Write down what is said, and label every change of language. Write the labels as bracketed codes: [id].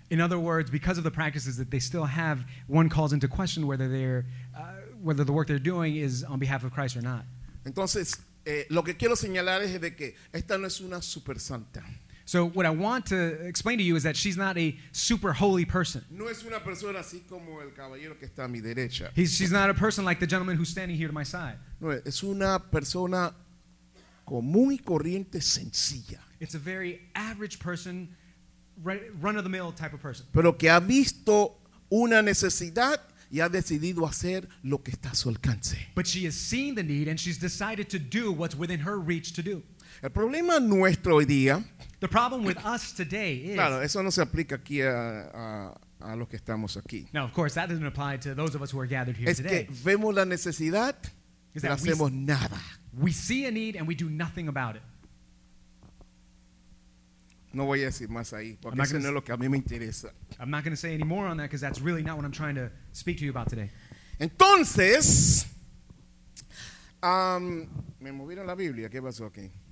[en] In other words, because of the practices that they still have, one calls into question whether the work they're doing is on behalf of Christ or not. [es] Entonces, lo que quiero señalar es de que esta no es una super santa. [en] So what I want to explain to you is that she's not a super holy person. [es] No es una persona así como el caballero que está a mi derecha. [en] She's not a person like the gentleman who's standing here to my side. [es] No, es una persona común y corriente sencilla. [en] It's a very average person, run-of-the-mill type of person. [es] Pero que ha visto una necesidad y ha decidido hacer lo que está a su alcance. [en] But she has seen the need and she's decided to do what's within her reach to do. [es] El problema nuestro hoy día, [en] the problem with us today is, [es] claro, eso no se aplica aquí a los que estamos aquí. [en] Now, of course, that doesn't apply to those of us who are gathered here [es] es [en] today. [es] Es que vemos la necesidad, pero hacemos nada. [en] We see a need and we do nothing about it. [es] No voy a decir más ahí, porque eso no es lo que a mí me interesa. [en] I'm not going to say any more on that because that's really not what I'm trying to speak to you about today. [es] Entonces, me movieron la Biblia, ¿qué pasó aquí?